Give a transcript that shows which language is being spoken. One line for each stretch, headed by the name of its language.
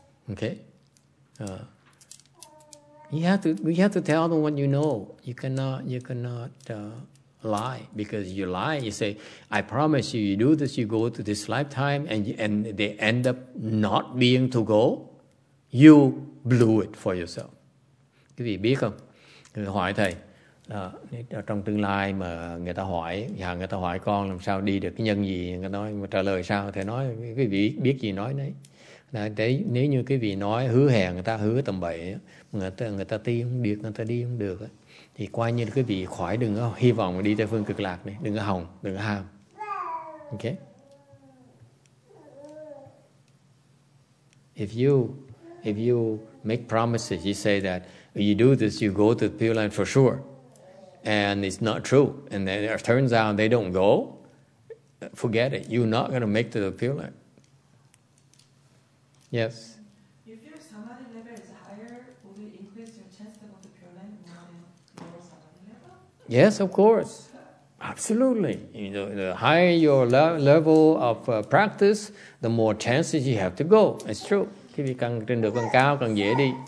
English: Okay, we have to tell them what you know. You cannot lie, because you lie. You say, I promise you, you do this, you go to this lifetime, and they end up not being to go. You blew it for yourself.
Vietnamese: Quý vị biết không? Người hỏi thầy, trong tương lai mà người ta hỏi, người ta hỏi con làm sao đi được cái nhân gì, người ta nói, mà trả lời sao? Thầy nói, quý vị biết gì nói đấy. Nếu như quý vị nói hứa hẹn, người ta hứa tầm bậy, người ta đi không được, người ta đi không được, thì coi như quý vị khỏi, đừng có hy vọng đi Tây Phương Cực Lạc này, đừng có hòng, đừng có ham.
English: Okay? If you make promises, you say that you do this, you go to the Pure Land for sure, and it's not true, and then it turns out they don't go, forget it. You're not going to make to the Pure Land. Yes? If your samadhi level is higher, will it increase your chance to go to the Pure Land more than your samadhi level? Yes, of course. Absolutely. The higher your level of practice, the more chances you have to go. It's true.
Vietnamese: Khi vì càng trình độ càng cao càng dễ đi.